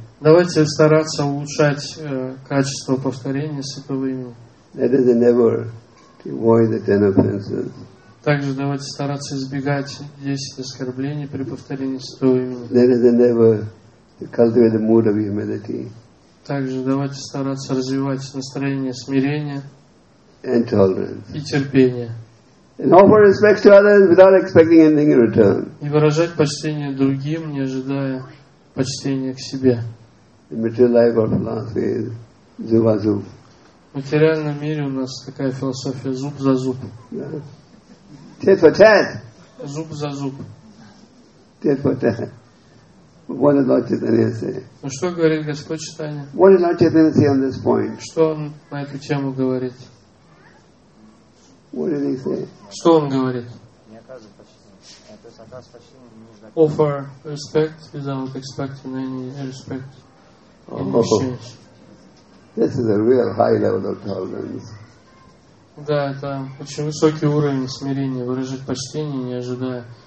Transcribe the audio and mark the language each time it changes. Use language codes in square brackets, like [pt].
[ru] давайте стараться улучшать качество повторения святого имени. Также давайте стараться избегать 10 оскорблений при повторении святого имени. Также давайте стараться развивать настроение смирения и терпения. [en] And offer respect to others without expecting anything in return. [ru] И выражать почтение другим, не ожидая почтения к себе. [en] The material life of philosophy is [ru] zub a zub. В материальном мире у нас такая философия — зуб за зуб. [en] Tit for tat. [ru] Зуб за зуб. [en] Tit for tat. What did Lord Chaitanya say? [ru] Ну что говорит Господь Чайтанья? [en] What did Lord Chaitanya say on this point? [ru] Что он на эту тему говорит? [en] What did he say? [ru] Что он говорит? [en] Offer respect without expecting any respect. Oh, this is a real high level of tolerance. [ru] Да, это очень высокий уровень смирения — выражать почтение, не ожидая